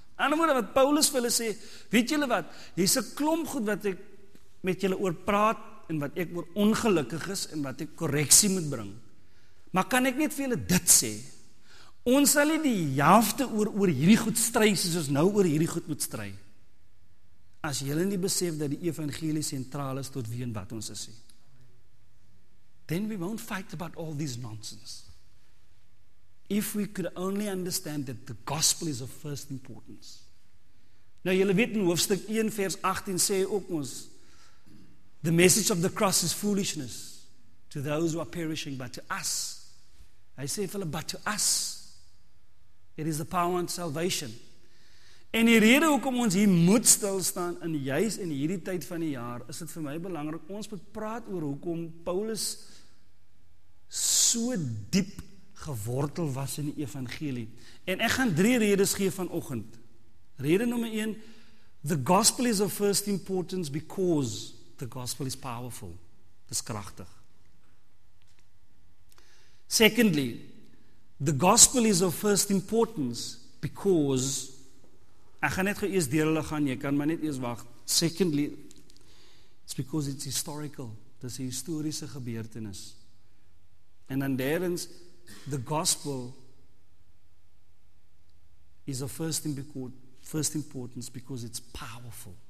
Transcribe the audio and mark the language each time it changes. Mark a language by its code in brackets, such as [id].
[af] Ander woorde wat Paulus vir hulle sê, weet julle wat, hier is 'n klomp goed wat ek met julle oor praat, en wat ek oor ongelukkig is, en wat ek korreksie moet bring. Maar kan ek net vir julle dit sê, ons sal nie die helfte oor hierdie goed stry, soos ons nou oor hierdie goed moet stry, as julle nie besef dat die evangelie sentraal is tot wie en wat ons is. [en] Then we won't fight about all these nonsense. If we could only understand that the gospel is of first importance. [af] Nou julle weet in hoofstuk 1 vers 18 sê ook ons, [en] the message of the cross is foolishness to those who are perishing, but to us, I say, Philip, but to us, it is the power and salvation. [af] En die rede hoekom ons hier moet stilstaan, en juist in hierdie tyd van die jaar, is dit vir my belangrik, ons moet praat oor hoekom Paulus so diep gewortel was in die evangelie. En ek gaan drie redes gee vanoggend. Rede nummer 1, [en] the gospel is of first importance because the gospel is powerful. [af] Dit is krachtig. [en] Secondly, the gospel is of first importance because, [af] ek gaan net gou eers deur hulle gaan, jy kan maar net eers wacht. [en] Secondly, it's because it's historical. [af] Dit is 'n historiese gebeurtenis. En dan derdens, [en] the gospel is of first importance because it's powerful.